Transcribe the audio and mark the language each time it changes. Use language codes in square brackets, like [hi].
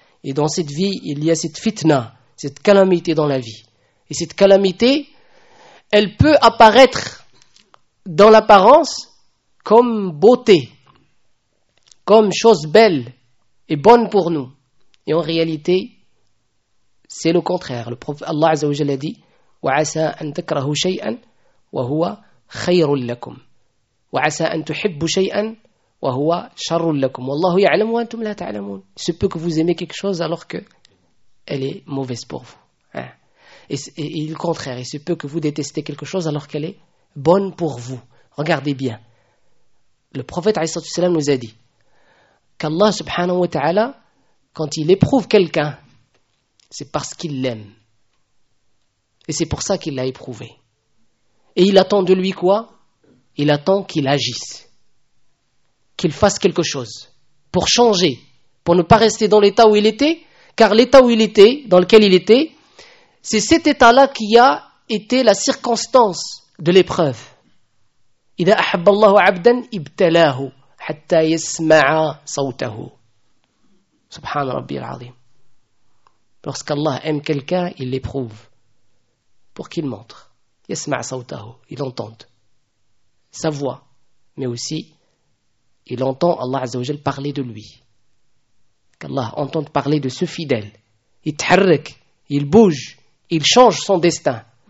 [fr] Et dans cette vie, il y a cette fitna, cette calamité dans la vie. Et cette calamité, elle peut apparaître dans l'apparence, comme beauté, comme chose belle et bonne pour nous. Et en réalité, c'est le contraire. Le prophète [ar] Allah Azza wa Jalla dit وَعَسَىٰ أَن تَكْرَهُ شَيْئًا وَهُوَ خَيْرٌ لَكُمْ وَعَسَىٰ أَن تُحِبُّ شَيْئًا وَهُوَ شَرٌ لَكُمْ وَاللَّهُ يَعْلَمُ وَأَنْتُمْ لَا تَعْلَمُونَ. [fr] Il se peut que vous aimez quelque chose alors qu'elle est mauvaise pour vous. Et le contraire, il se peut que vous détestez quelque chose alors qu'elle est bonne pour vous. Regardez bien. Le prophète [ar] عليه الصلاة والسلام [fr] nous a dit qu'Allah subhanahu wa ta'ala, quand il éprouve quelqu'un, c'est parce qu'il l'aime. Et c'est pour ça qu'il l'a éprouvé. Et il attend de lui quoi? Il attend qu'il agisse. Qu'il fasse quelque chose. Pour changer. Pour ne pas rester dans l'état où il était. Car l'état où il était, dans lequel il était, c'est cet état-là qui a été la circonstance de l'épreuve. [ar] إِذَا أَحَبَّ اللَّهُ عَبْدًا إِبْتَلَاهُ حَتَّى يَسْمَعَ صَوْتَهُ سبحان ربي العظيم. [fr] Lorsqu'Allah aime quelqu'un, il l'éprouve pour qu'il montre. [ar] يَسْمَعَ صَوْتَهُ [fr] il entend sa voix, mais aussi il entend Allah عز وجل parler de lui. Qu'Allah entende parler de ce fidèle. Il تحرك, il bouge, il change son destin.